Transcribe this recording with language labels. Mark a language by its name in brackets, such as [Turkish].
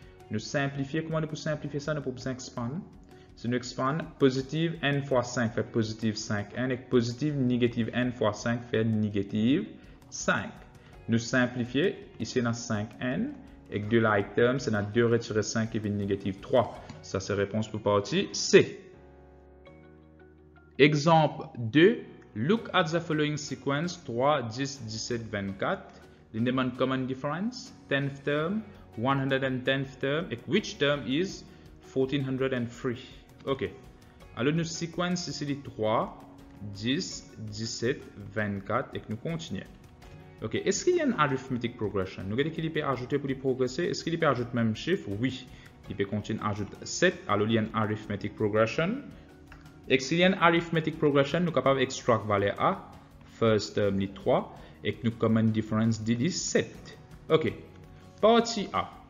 [French] Nous simplifier, comment nous pouvons simplifier ça? Nous pouvons besoin expand. Si nous expand, positive n fois 5 fait positive 5 n et positive négative n fois 5 fait négative 5. Nous simplifier, ici dans 5 n et de like term, c'est dans 2 retiré 5 qui vient négative 3. Ça, c'est réponse pour partie C. Exemple 2. [English] Look at the following sequence 3, 10, 17, 24. [French] Il demande common difference, 10th term, 110th term, et [English] which term is 1403. [French] OK. Alors, nous sequence ici les 3, 10, 17, 24, et nous continuons. OK. Est-ce qu'il y a une arithmetic progression? Nous regardons qu'il peut ajouter pour y progresser. Est-ce qu'il peut ajouter même chiffre? Oui. Il peut continuer à ajouter 7. Alors, il y a une arithmetic progression. Et s'il y a une arithmetic progression, nous sommes capables d'extraire valeur A, first term, les 3, et nous common difference D, 7. OK. Partie A.